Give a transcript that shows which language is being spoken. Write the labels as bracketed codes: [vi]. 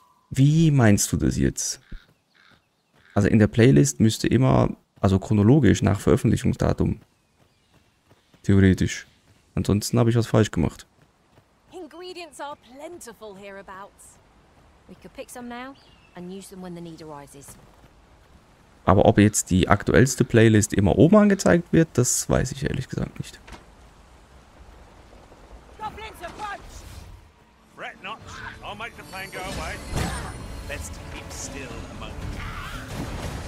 [de] Wie meinst du das jetzt? Also in der Playlist müsste immer, also chronologisch nach Veröffentlichungsdatum. Theoretisch. Ansonsten habe ich was falsch gemacht. [en] Ingredients are plentiful hereabouts. We could pick some now and use them when the need arises. [de] Aber ob jetzt die aktuellste Playlist immer oben angezeigt wird, das weiß ich ehrlich gesagt nicht. [en] Goblins approach! Fret not, I'll make the plane go away. Best to keep still a moment.